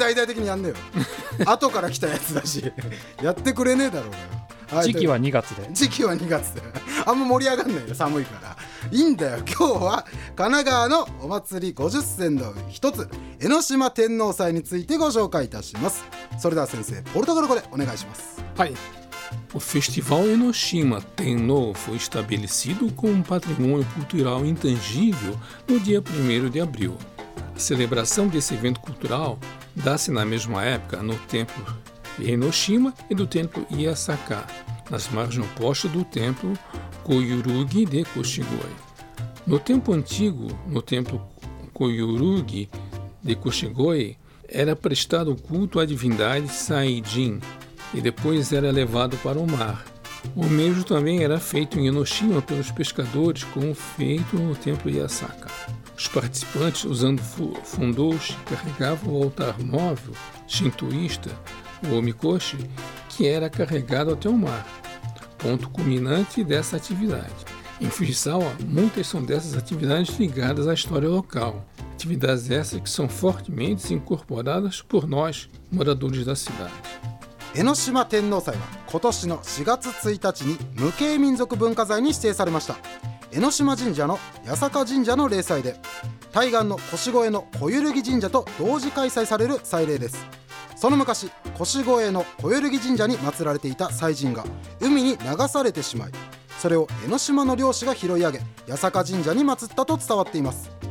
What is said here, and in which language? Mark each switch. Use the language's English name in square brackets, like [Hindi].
[Japanese] そんな大々的にやんねえよ後から来たやつだしやってくれねえだろうよ、はい、時期は2月で時期は2月であんま盛り上がんないよ、寒いから。いいんだよ、今日は神奈川のお祭り50選の一つ、江ノ島天王祭についてご紹介いたします。それでは先生、ポルトガル語でお願いします。はい。 [Portuguese] O Festival Enoshima Tennō foi estabelecido como patrimônio cultural intangível no dia 1º de abril. A celebração desse evento cultural dá-se na mesma época no templo Enoshima e do templo Iesaka, nas margens opostas do templo Koyurugi de Koshigoi. No tempo antigo, no templo Koyurugi de Koshigoi, era prestado culto à divindade Saijin, e depois era levado para o mar. O mesmo também era feito em Enoshima pelos pescadores, como feito no templo Iesaka. Os participantes, usando fundos, carregavam o altar móvel shintoísta, o omikoshi, que era carregado até o mar, ponto culminante dessa atividade. Em Fujisawa, muitas são dessas atividades ligadas à história local, atividades essas que são fortemente incorporadas por nós, moradores da cidade. [Japanese] 江ノ島天王祭は今年の4月1日に無形民俗文化財に指定されました。江ノ島神社の八坂神社の例祭で、対岸の腰越の小揺るぎ神社と同時開催される祭礼です。その昔、腰越の小揺るぎ神社に祀られていた祭神が海に流されてしまい、それを江ノ島の漁師が拾い上げ八坂神社に祀ったと伝わっています。